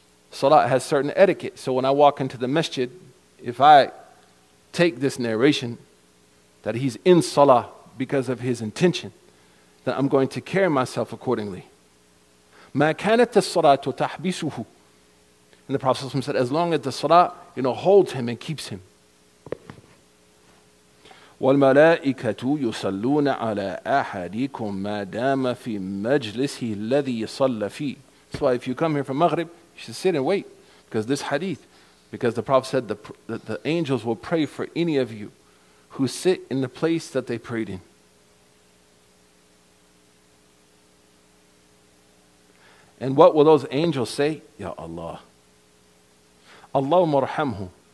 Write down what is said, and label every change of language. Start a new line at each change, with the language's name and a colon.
English: Salah has certain etiquette. So when I walk into the masjid, if I take this narration that he's in salah because of his intention, then I'm going to carry myself accordingly.
Arabic: ما كانت الصلاة تحبسه.
English: And the Prophet said, as long as the salah, you know, holds him and keeps him.
Arabic: والملائكة يصلون على أحدكم ما دام في مجلسه الذي صلى فيه.
English: So if you come here from Maghrib, you should sit and wait, because this hadith, because the Prophet said that the angels will pray for any of you who sit in the place that they prayed in. And what will those angels say? Ya Allah.
Arabic: Allahumma rahamhu.